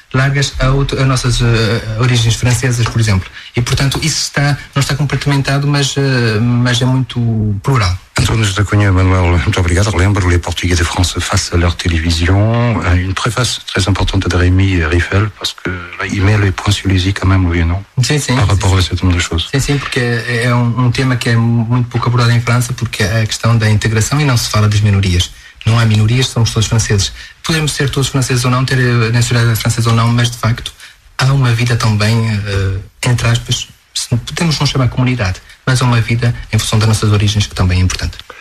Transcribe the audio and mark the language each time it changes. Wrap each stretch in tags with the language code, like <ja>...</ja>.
<pt>largas a nossas origens francesas, por exemplo. E, portanto, isso está, não está compartimentado, mas é muito plural. Antônio da Cunha, Manuel, muito obrigado. Lembro-lhe</pt> <fr>les Portugais de France face à leur télévision. Une préface très importante de Rémy Riffel, parce que là, il met les points sur les i quand même, oui, non?</fr> <pt>Sim, sim.</pt> <fr>Par rapport à cette même chose.</fr> <pt>Sim, sim, porque é um tema que é muito pouco abordado em França, porque é a questão da integração e não se fala das minorias. Não há minorias, somos todos franceses. Podemos ser todos franceses ou não, ter nacionalidade francesa ou não, mas de facto há uma vida também, entre aspas, podemos não chamar comunidade, mas há uma vida em função das nossas origens que também é importante.</pt>